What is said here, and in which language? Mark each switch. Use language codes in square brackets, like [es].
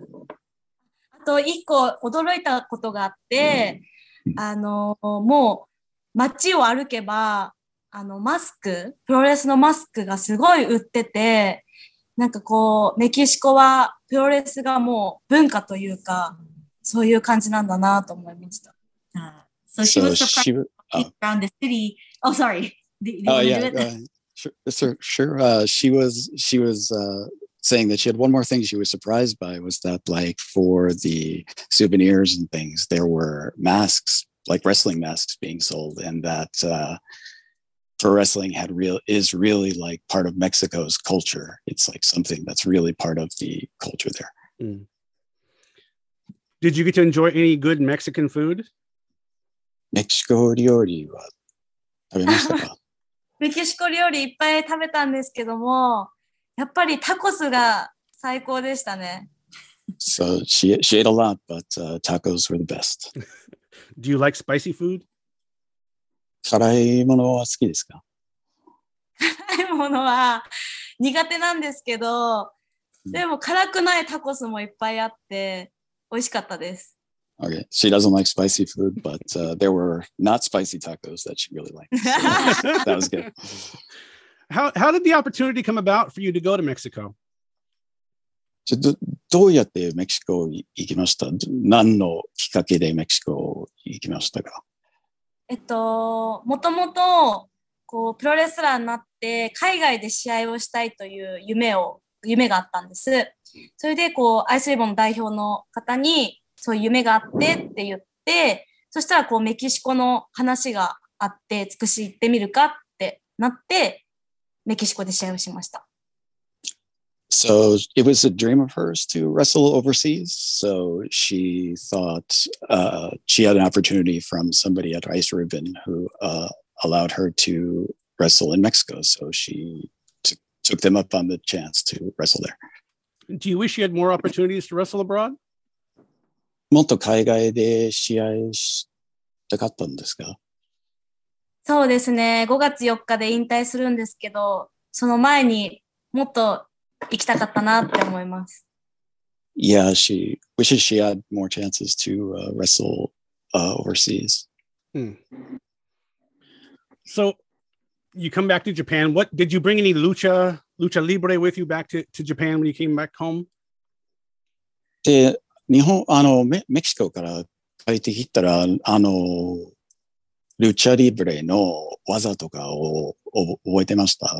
[ja] あと一個驚いたことがあって、あのもう街を歩けば、あのマスク、プロレスのマスクがすごい売ってて、なんかこうメキシコはプロレスがもう文化というか、そういう感じなんだなと思いました。 [en] So she was around the city. Oh, sorry. She was saying that she had one more thing she was surprised by, was that like for the souvenirs and things, there were masks, like wrestling masks being sold, and that pro wrestling is really like part of Mexico's culture. It's like something that's really part of the culture there. Mm. Did you get to enjoy any good Mexican food? [ja] メキシコ料理は食べましたか？メキシコ料理いっぱい食べたんですけども、やっぱりタコスが最高でしたね。 [en] So she ate a lot, but tacos were the best. Do you like spicy food? [ja] 辛いものは好きですか？辛いものは苦手なんですけど、でも辛くないタコスもいっぱいあって、美味しかったです。 [en] Okay. She doesn't like spicy food, but there were not spicy tacos that she really liked. So that was good. How did the opportunity come about for you to go to Mexico? [ja] どうやってメキシコ行きました？何のきっかけでメキシコ行きましたか？もともとこうプロレスラーになって海外で試合をしたいという夢があったんです。それでこうアイスリボンの代表の方にそういう夢があってって言って、そしたらこうメキシコの話があって、つくし行ってみるかってなってメキシコで試合をしました。 [en] So it was a dream of hers to wrestle overseas, so she thought she had an opportunity from somebody at Ice Ribbon who allowed her to wrestle in Mexico, so she took them up on the chance to wrestle there Do you wish you had more opportunities to wrestle abroad? [ja] もっと海外で試合したかったんですか？そうですね。 5月4日で引退するんですけど、その前にもっと行きたかったなって思います。 [en] Yeah, she wishes she had more chances to wrestle overseas. So, you come back to Japan. What, did you bring any Lucha Libre with you back to Japan when you came back home? [ja] で、日本、あの、メキシコから帰ってきたら、あの、ルチャリブレの技とかを覚えてました？